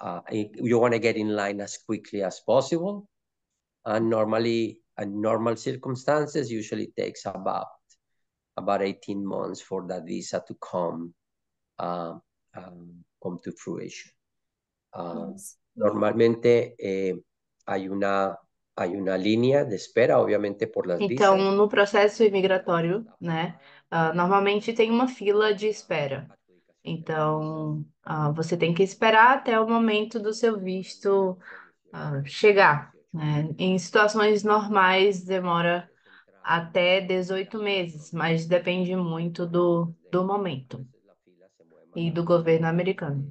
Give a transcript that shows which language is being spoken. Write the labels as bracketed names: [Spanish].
[English] You want to get in line as quickly as possible. And normally, in normal circumstances, usually takes about 18 months for the visa to come to fruition. Yes. [Spanish] Normalmente hay una línea de espera, obviamente, por las [Portuguese] Então, [Spanish] visas. [Portuguese] no processo imigratório, né, normalmente tem uma fila de espera. Então, você tem que esperar até o momento do seu visto chegar. Né? Em situações normais, demora até 18 meses, mas depende muito do momento e do governo americano.